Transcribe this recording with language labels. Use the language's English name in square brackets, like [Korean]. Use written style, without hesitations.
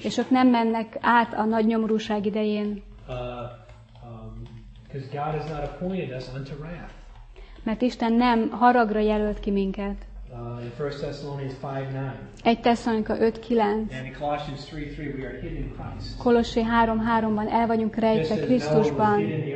[Hungarian] És ők nem mennek át a nagy nyomorúság idején. [English] Because God has not appointed us unto wrath. [Hungarian] Mert Isten nem haragra jelölt ki minket. [English] In 1 Thessalonians 5:9. [Hungarian] 1 Tesszalonika 5:9. [English] And in Colossians 3:3 we are hidden in Christ. [Hungarian] Kolossé 3:3-ban el vagyunk rejtve Krisztusban.